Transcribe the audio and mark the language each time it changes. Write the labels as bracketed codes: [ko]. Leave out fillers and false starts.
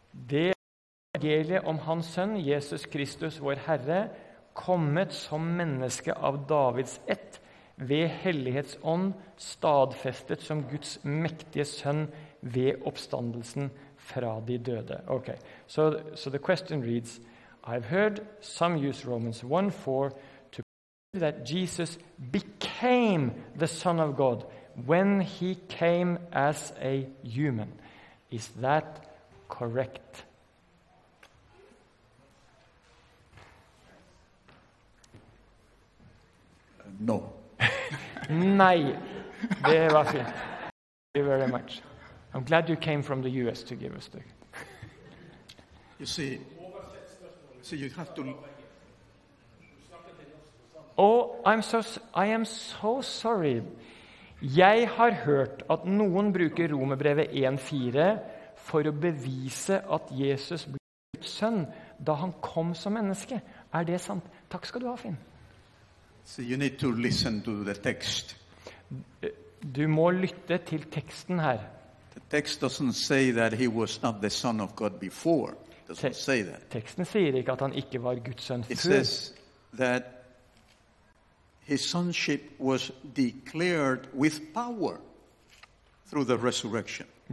[no] Det evangeliet om hans sønn, Jesus Kristus, vår Herre, kommet som menneske av Davids ett, ved hellighetsånd, stadfestet som Guds mektige sønn ved oppstandelsen fra de døde. [en] Okay, so the question reads, I've heard some use Romans 1:4 to prove that Jesus became the Son of God when he came as a human. Is that correct? No. [no] Nei, det var fint. [en] Thank you very much. I'm glad you came from the U.S. to give us the... You see, you have to... Oh, I am so sorry. [no] Jeg har hørt at noen bruker Romerbrevet 1:4 for å bevise at Jesus ble Guds sønn da han kom som menneske. Det sant? Takk skal du ha, Finn. [en] So you need to listen to the text. [no] Du må lytte til teksten her. [en] The text doesn't say that he was not the son of God before. Doesn't say that. [no] Teksten sier ikke at han ikke var Guds sønn før. [en] It says that his sonship was declared with power through the resurrection.